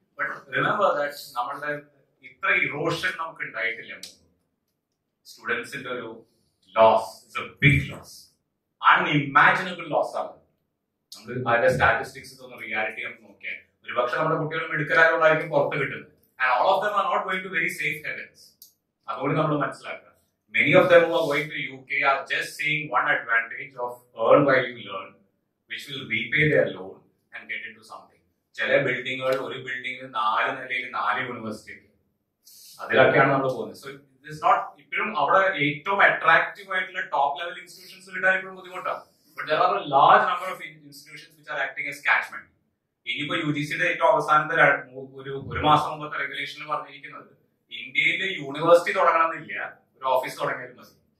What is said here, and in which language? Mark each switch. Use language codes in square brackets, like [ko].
[en] but remember that [ml] നമ്മളുടെ ഇത്ര erosion നമുക്ക് ഉണ്ടായിട്ടില്ല. സ്റ്റുഡൻസിന്റെ ഒരു [en] loss is a big loss, unimaginable loss [ml] ആണ്. നമ്മൾ അതിന്റെ സ്റ്റാറ്റിസ്റ്റിക്സ് ഒന്ന് റിയാലിറ്റി നമുക്ക് നോക്കിയാൽ ഒരു പക്ഷെ നമ്മുടെ കുട്ടികളും മെഡിക്കലായതുകൊണ്ടായിരിക്കും പുറത്ത് കിട്ടുന്നത്. [en] And all of them are not going to very safe heavens. [ml] അതുകൊണ്ട് നമ്മൾ മനസ്സിലാക്കുക, [en] many of them who are going to UK are just seeing one advantage of earn while you learn, which will repay their loan and get into something. [ml] ചില ബിൽഡിങ്ങുകൾ, ഒരു ബിൽഡിംഗിൽ നാല് നിലയിൽ നാല് university, അതിലൊക്കെയാണ് നമ്മൾ പോകുന്നത്. [en] so it is not, [ml] ഇപ്പോഴും അവിടെ ഏറ്റവും അട്രാക്റ്റീവ് ആയിട്ടുള്ള ടോപ്പ് ലെവൽ ഇൻസ്റ്റിറ്റ്യൂഷൻസ് കിട്ടാൻ ഇപ്പോഴും ബുദ്ധിമുട്ടാണ്. [en] But there are a large number of institutions which are acting as catchment. [ml] ഇനിയിപ്പോ UGC ഏറ്റവും അവസാനത്തെ ഒരു മാസം മുമ്പത്തെ റെഗുലേഷനിൽ പറഞ്ഞിരിക്കുന്നത് ഇന്ത്യയില് യൂണിവേഴ്സിറ്റി തുടങ്ങണം എന്നില്ല, ഒരു ഓഫീസ് തുടങ്ങിയാൽ മതി.